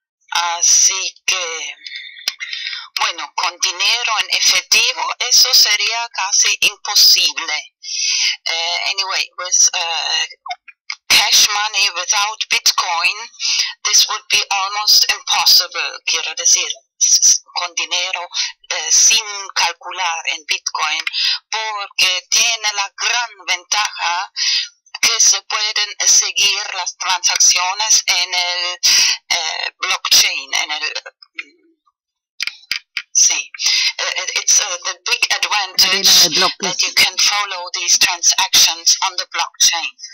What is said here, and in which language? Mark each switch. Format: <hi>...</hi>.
<es>Así que, bueno, con dinero en efectivo, eso sería casi imposible.</es> <en>Anyway, with cash money, without Bitcoin, this would be almost impossible.</en> <es>Quiero decir, con dinero sin calcular en Bitcoin, porque tiene la gran ventaja que se pueden seguir las transacciones en el blockchain, en el sí.</es> <en>It's the big advantage that you can follow these transactions on the blockchain.</en>